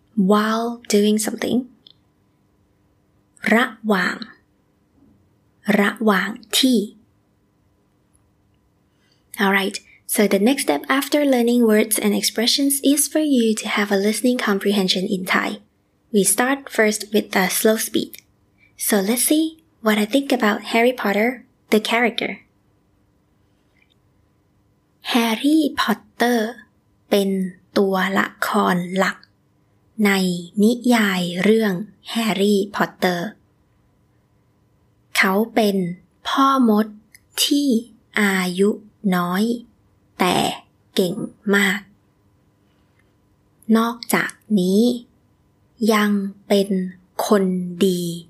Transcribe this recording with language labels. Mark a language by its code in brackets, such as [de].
[en] while doing something [th] ระหว่างระหว่างที่ [en] Alright, so the next step after learning words and expressions is for you to have a listening comprehension in Thai. We start first with a slow speed. So let's see what I think about Harry Potter, the character. [th] Harry Potter เป็นตัวละครหลักในนิยายเรื่อง Harry Potter. เขาเป็นพ่อมดที่อายุน้อยแต่เก่งมากนอกจากนี้ยังเป็นคนดี